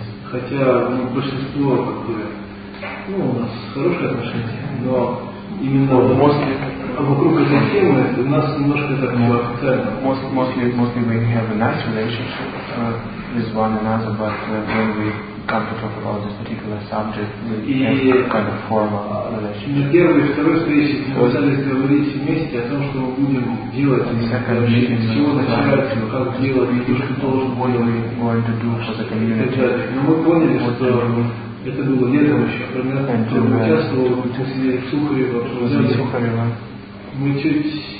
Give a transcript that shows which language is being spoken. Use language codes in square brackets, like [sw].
[ru] Хотя большинство, ну, у нас хорошие отношения, но именно вокруг этой темы у нас немножко так неофициально. [en] Mostly we have a nice relationship with one another, but when we come to talk about this particular subject, we have a kind of formal relationship. [ru] На первой и второй встрече мы пытались говорить вместе о том, что мы будем делать, и с чего начинать, как делать, и то, что должен более [en] going to do for the community. [ru] Но мы поняли, поняли, что это было летом еще, мы участвовали в Сухарево, мы чуть